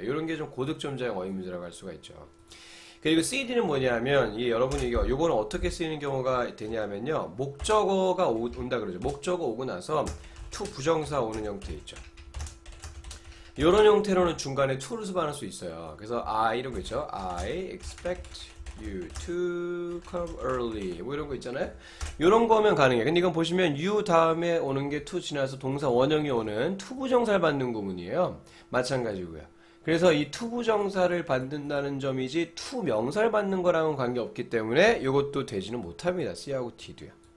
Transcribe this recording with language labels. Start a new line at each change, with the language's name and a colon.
Korean: 이런 게좀 고득점자형 어휘문제라고 할 수가 있죠. 그리고 CD는 뭐냐면, 이게 여러분 이게 요거는 어떻게 쓰이는 경우가 되냐면요. 목적어가 온다 그러죠. 목적어 오고 나서 to 부정사 오는 형태 있죠. 요런 형태로는 중간에 to를 수반할 수 있어요. 그래서 I 이런 거 있죠.
English: I expect you to come early.
Korean: 뭐 이런 거 있잖아요. 요런 거면 가능해요. 근데 이건 보시면 you 다음에 오는 게 to 지나서 동사 원형이 오는 to 부정사를 받는 구문이에요. 마찬가지고요. 그래서 이 to 부정사를 받는다는 점이지 to 명사를 받는 거랑은 관계없기 때문에 이것도 되지는 못합니다. C하고 D도요.